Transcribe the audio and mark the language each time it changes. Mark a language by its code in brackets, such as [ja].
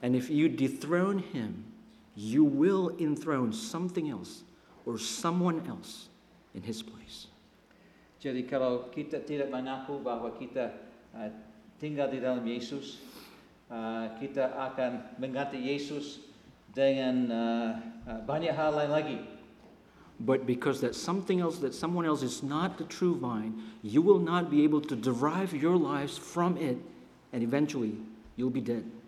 [en] And if you dethrone him, you will enthrone something else or someone else in his place. [id] Jadi kalau kita tidak mengaku bahwa kita tinggal di dalam Yesus, kita akan mengganti Yesus dengan banyak hal lain lagi. [en] But because that something else, that someone else is not the true vine, you will not be able to derive your lives from it, and eventually you'll be dead.